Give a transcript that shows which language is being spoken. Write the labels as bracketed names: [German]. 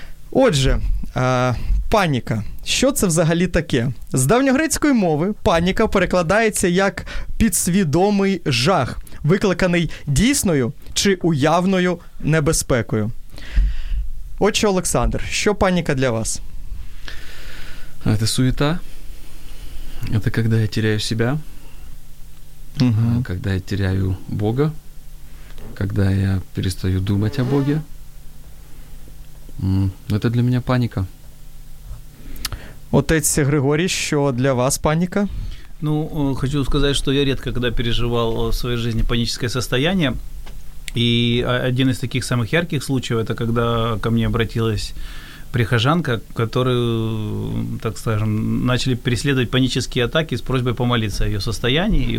[Ukrainian] Отже, паніка. Що це взагалі таке? З давньогрецької мови паніка перекладається як підсвідомий жах, викликаний дійсною чи уявною небезпекою. Отже, Олександр, що паніка для вас? [Russian] Это суета, это когда я теряю себя, когда я теряю Бога, когда я перестаю думать о Боге. Это для меня паника. [Ukrainian] Отець Григорій, що для вас паніка? [Russian] Ну, хочу сказать, что я редко когда переживал в своей жизни паническое состояние. И один из таких самых ярких случаев, это когда ко мне обратилась прихожанка, которую, так скажем, начали преследовать панические атаки с просьбой помолиться о ее состоянии.